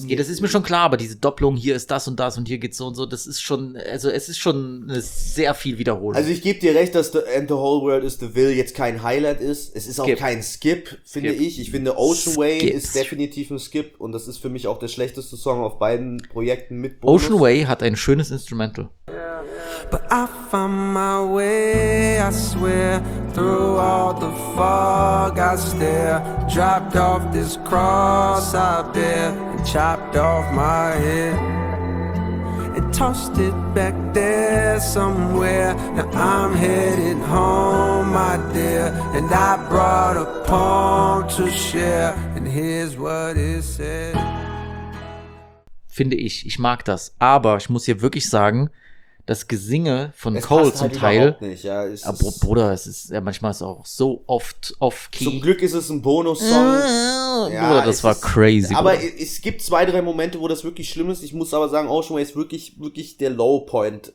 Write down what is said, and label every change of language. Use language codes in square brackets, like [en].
[de] Ja, das ist mir schon klar, aber diese Doppelung, hier ist das und das und hier geht's so und so, das ist schon, also es ist schon eine sehr viel Wiederholung. Also ich gebe dir recht, dass And the Whole World is the Will jetzt kein Highlight ist. Es ist auch kein Skip, finde ich. Ich finde Ocean Way ist definitiv ein Skip und das ist für mich auch der schlechteste Song auf beiden Projekten mit Bonus. Ocean Way hat ein schönes Instrumental. [en] But I found my way, I swear. Through all the fog I stare. Dropped off this cross I bear and chopped off my head and tossed it back there somewhere. Now I'm headed home, my dear. And I brought a poem to share. And here's what it said. [de] Finde ich, ich mag das. Aber ich muss hier wirklich sagen, das Gesinge von es Cole passt zum halt Teil. Nicht, ja. Es ist, Bruder, es ist ja manchmal ist auch so oft off-key. Zum Glück ist es ein Bonus-Song. Bruder, ja, das war crazy. Aber Bruder, es gibt zwei, drei Momente, wo das wirklich schlimm ist. Ich muss aber sagen, Ocean Way ist wirklich, wirklich der Low-Point.